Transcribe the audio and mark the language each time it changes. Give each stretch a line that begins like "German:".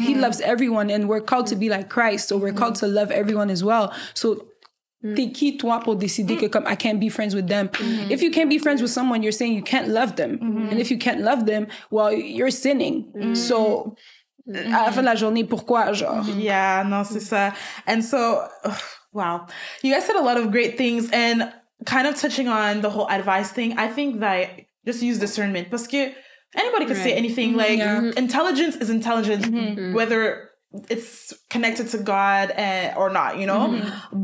English: He loves everyone and we're called to be like Christ. So we're called to love everyone as well.
French: So t'es qui toi pour décider que comme
English: I can't be friends with them.
French: Mm-hmm.
English: If you can't be friends with someone, you're saying you can't love them. Mm-hmm. And if you can't love them, well, you're sinning. Mm-hmm.
French: So, mm-hmm. à la fin de la journée, pourquoi, genre?
English: Yeah,
French: non, c'est ça.
English: And so, oh, wow. You guys said a lot of great things. And kind of touching on the whole advice thing, I think that just use discernment.
French: Parce que
English: anybody can say anything. Mm-hmm. Like, intelligence is intelligence. Mm-hmm. Whether it's connected to God or not, you know? Mm-hmm.